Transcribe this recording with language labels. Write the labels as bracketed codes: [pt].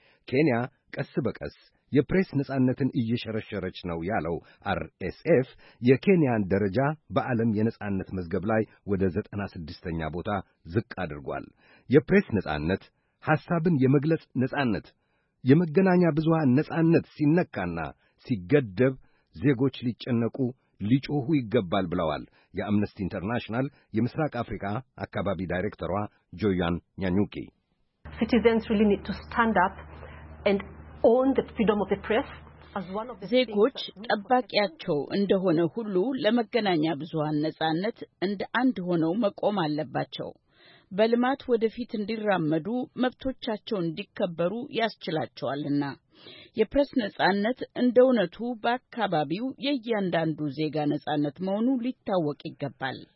[am] ኬንያ ቀስ በቀስ የፕሬስ ንጻነትን እየሸረሸረች ነው ያለው RSF የኬንያን ደረጃ በዓለም የንጻነት መዝገብ ላይ ወደ 96ኛ ቦታ ዝቅ አድርጓል። የፕሬስ ንጻነት፣ ሐሳብን የመግለጽ ንጻነት፣ የመገናኛ ብዙሃን ንጻነት ሲነካና ሲገደብ ዜጎች ሊጨነቁ ሊጮሁ ይገባል ብለዋል የአምነስቲ ኢንተርናሽናል የምስራቅ አፍሪካ አካባቢ ዳይሬክተሯ ጆያን ኛኑኪ። [en] Citizens really need to stand up and own the freedom of the press as one of the [am] ዜጎች ጠባቂያቸው እንደሆነ ሁሉ ለመገናኛ ብዙሃን ንጻነት እንደ አንድ ሆነው መቆም አለባቸው። በልማት ወደፊት እንዲራመዱ መብቶቻቸው እንዲከበሩ ያስችላቸዋልና የፕሬስ ንጻነት እንደውነቱ በአካባቢው የእያንዳንዱ ዜጋ ንጻነት መሆኑ ሊታወቅ ይገባል።